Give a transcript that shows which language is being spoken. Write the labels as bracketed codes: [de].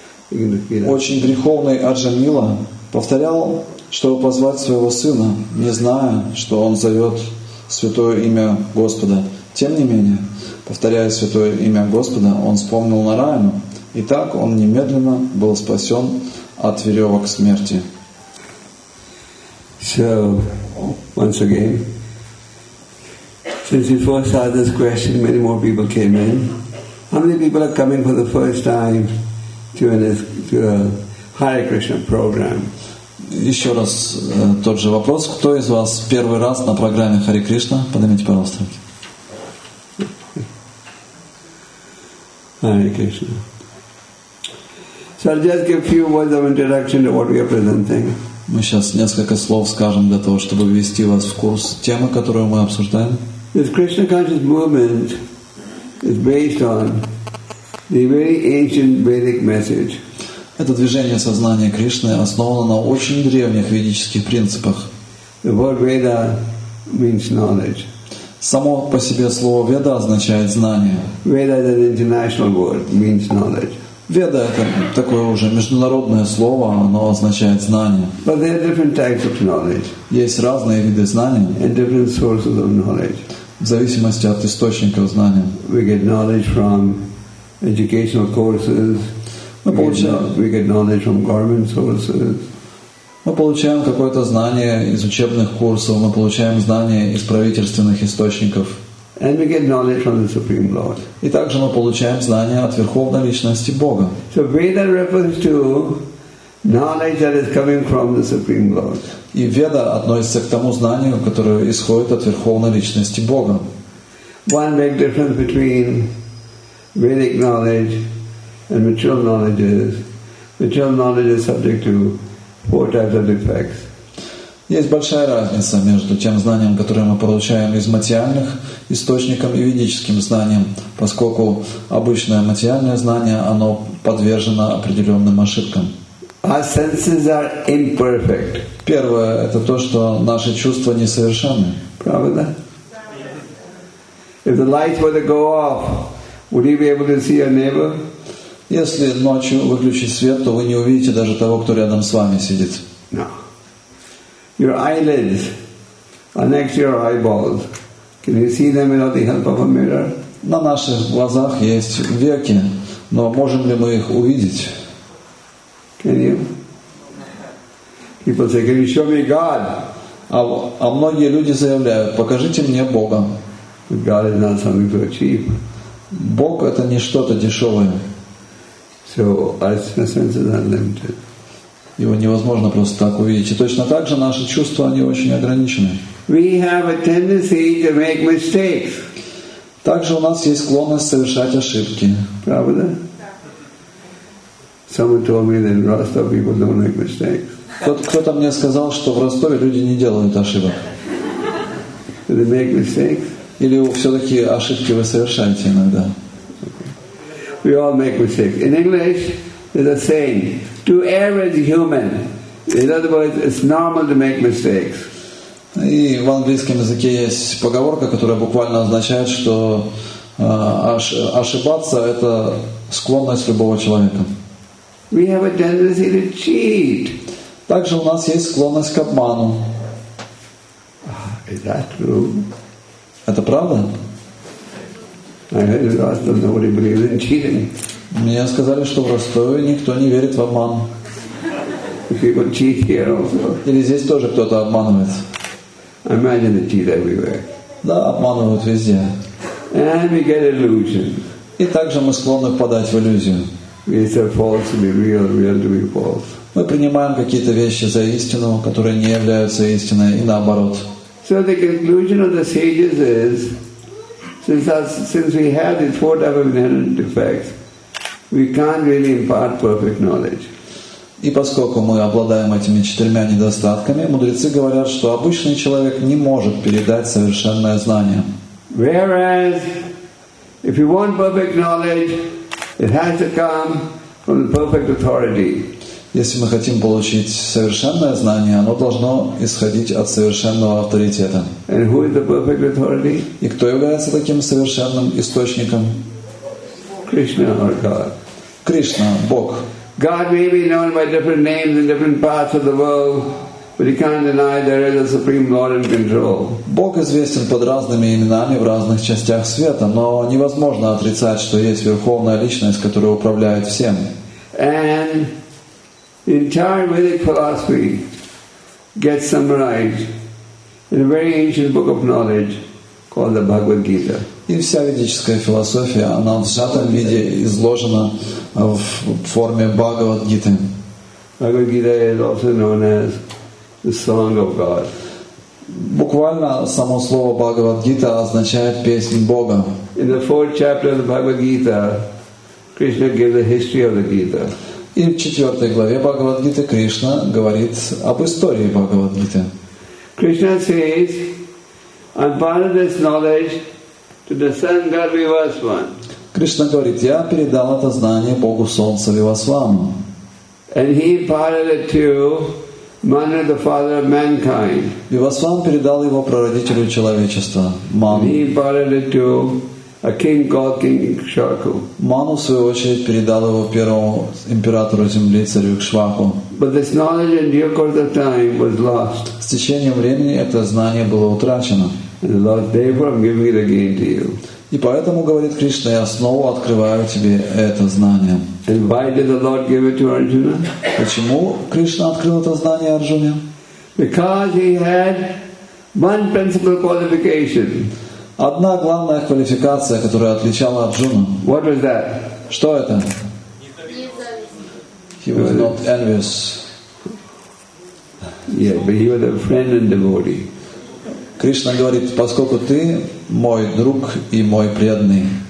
[ru] Очень греховный Арджамила повторял, чтобы позвать своего сына, не зная, что он зовет святое имя Господа. Тем не менее, повторяя святое имя Господа, он вспомнил Нараяну, и так он немедленно был спасен от веревок смерти. [en] So, once again, since we first had this question, many more people came in. How many people are coming for the first time to a Hare Krishna program? [ru] Еще раз тот же вопрос. Кто из вас первый раз на программе Харе Кришна? Поднимите, пожалуйста, руки. [en] Харе Кришна. So I'll just give a few words of introduction to what we are presenting. [ru] Мы сейчас несколько слов скажем для того, чтобы ввести вас в курс темы, которую мы обсуждаем. [en] This Krishna conscious movement is based on the very ancient Vedic message. [ru] Это движение сознания Кришны основано на очень древних ведических принципах. [en] The word Veda means knowledge. [ru] Само по себе слово Веда означает знание. [en] Veda is an international word, means knowledge. [ru] Веда — это такое уже международное слово, оно означает знание. [en] But there are different types of knowledge. [ru] Есть разные виды знаний. [en] And different sources of knowledge. [ru] В зависимости от источников знания. [en] We get knowledge from educational courses. [ru] Мы получаем какое-то знание из учебных курсов, мы получаем знания из правительственных источников. [en] And we get knowledge from the Supreme Lord. [ru] И также мы получаем знания от Верховной Личности Бога. [en] So Veda refers to knowledge that is coming from the Supreme Lord. [ru] И Веда относится к тому знанию, которое исходит от Верховной Личности Бога. [en] One big difference between Vedic knowledge and material knowledge is subject to four types of defects. [ru] Есть большая разница между тем знанием, которое мы получаем из материальных источников, и ведическим знанием, поскольку обычное материальное знание, оно подвержено определенным ошибкам. [en] Our senses are imperfect. [ru] Первое — это то, что наши чувства несовершенны. Правда? [en] If the light were to go off, would you be able to see your neighbor? [ru] Если ночью выключить свет, то вы не увидите даже того, кто рядом с вами сидит. [en] No. Your eyelids are next to your eyeballs. Can you see them without the help of a mirror? [ru] На наших глазах есть веки, но можем ли мы их увидеть? [en] Can you? People say, can you show me God? [ru] А многие люди заявляют, покажите мне Бога. [en] But God is not something to achieve. [ru] Бог — это не что-то дешевое. [en] So our senses are limited. [ru] Его невозможно просто так увидеть. И точно так же наши чувства, они очень ограничены. [en] We have a tendency to make mistakes. [ru] Также у нас есть склонность совершать ошибки. Правда? [en] Someone told me that in Rostov people don't make mistakes. [ru] Кто-то мне сказал, что в Ростове люди не делают ошибок. [en] Do they make mistakes? [ru] Или все-таки ошибки вы совершаете иногда? [en] We all make mistakes. In English, there's a saying: "To average human." In other words, it's normal to make mistakes. [ru] И в английском языке есть поговорка, которая буквально означает, что ошибаться — это склонность любого человека. [en] We have a tendency to cheat. [ru] Также у нас есть склонность к обману. [en] Is that true? [ru] Это правда? [en] I heard in Rostov nobody believes in cheating. [ru] Мне сказали, что в Ростове никто не верит в обман. [en] People cheat here also. [ru] Или здесь тоже кто-то обманывается. [en] Imagine they cheat everywhere. [ru] Да, обманывают везде. [en] And we get illusions. [ru] И также мы склонны впадать в иллюзию. [en] We say false to be real, real to be false. [ru] Мы принимаем какие-то вещи за истину, которые не являются истиной, и наоборот. [en] So the conclusion of the sages is, since we have these four types of inherent defects, we can't really impart perfect knowledge. [ru] И поскольку мы обладаем этими четырьмя недостатками, мудрецы говорят, что обычный человек не может передать совершенное знание. [en] Whereas, if you want perfect knowledge, it has to come from the perfect authority. [ru] Если мы хотим получить совершенное знание, оно должно исходить от совершенного авторитета. [en] And who is the perfect authority? [ru] И кто является таким совершенным источником? [en] Krishna or God? [ru] Кришна, Бог. [en] God may be known by different names in different parts of the world, but you can't deny there is a Supreme Lord in control. [ru] Бог известен под разными именами в разных частях света, но невозможно отрицать, что есть Верховная Личность, которая управляет всем. [en] And the entire Vedic philosophy gets summarized in a very ancient book of knowledge called the Bhagavad Gita. [ru] И вся ведическая философия, она в сжатом виде изложена в форме Бхагавад-гиты. [en] Bhagavad Gita is also known as the song of God. [ru] Буквально само слово Бхагавад-гита означает песнь Бога. [en] In the fourth chapter of the Bhagavad Gita, Krishna gives the history of the Gita. [ru] И в четвертой главе Бхагавад-гиты Кришна говорит об истории Бхагавад-гиты. [en] Krishna says, "I'm passing this knowledge to the Sun God Vivasvan." [ru] Кришна говорит, я передал это знание Богу Солнца Вивасвану. [en] And he imparted it to Manu, the father of mankind. [ru] Вивасван передал его прародителю человечества, Ману. [en] He imparted it to a king called King Ikshvaku. [ru] Ману, в свою очередь, передал его первому императору земли, царю Кшваку. [en] But this knowledge in due course of time was lost. [ru] С течением времени это знание было утрачено. [en] And the Lord, therefore, I'm giving it again to you. [ru] И поэтому, говорит Кришна, я снова открываю тебе это знание. [en] And why did the Lord give it to Arjuna? [ru] Почему Кришна открыл это знание Арджуне? [en] Because he had one principal qualification. [ru] Одна главная квалификация, которая отличала Арджуну. [en] What was that? [ru] Что это? [en] He was not envious. Yeah, but he was a friend and devotee. [ru] Кришна говорит, поскольку ты мой друг и мой преданный.